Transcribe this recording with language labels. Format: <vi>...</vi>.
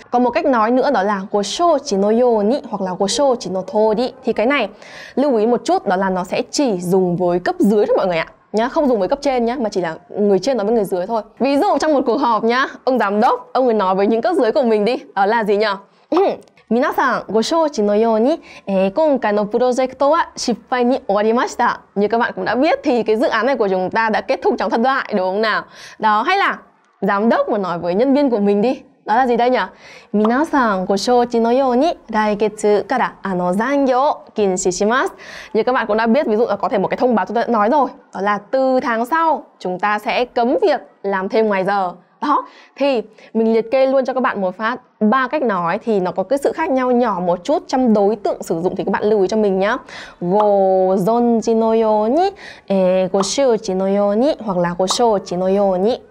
<vi>Còn một cách nói nữa đó là</vi> <ja>gosho chi no yoni</ja> <vi>hoặc là</vi> <ja>gosho chi no tori.</ja> <vi>Thì cái này lưu ý một chút, đó là nó sẽ chỉ dùng với cấp dưới thôi mọi người ạ. nhá, không dùng với cấp trên nhá, mà chỉ là người trên nói với người dưới thôi. Ví dụ trong một cuộc họp nhá, ông giám đốc, ông ấy nói với những cấp dưới của mình đi, đó là gì nhở?</vi> <ja>皆さんご承知のように、今回のプロジェクトは失敗に終わりました。</ja> <vi>Như các bạn cũng đã biết thì cái dự án này của chúng ta đã kết thúc trong thất bại, đúng không nào? Đó, hay là giám đốc mà nói với nhân viên của mình đi. Đó là gì đây nhỉ?</vi> <ja>皆さんご承知のように来月から残業を禁止します。</ja> <vi>Như các bạn cũng đã biết, ví dụ là có thể một cái thông báo chúng ta đã nói rồi. Đó là từ tháng sau chúng ta sẽ cấm việc làm thêm ngoài giờ. Đó, thì mình liệt kê luôn cho các bạn một phát ba cách nói thì nó có cái sự khác nhau nhỏ một chút trong đối tượng sử dụng thì các bạn lưu ý cho mình nhá.</vi> <ja>Go zon chi no yoni, go shu chi no yoni</ja> <vi>hoặc là</vi> <ja>go sho chi no yoni.</ja>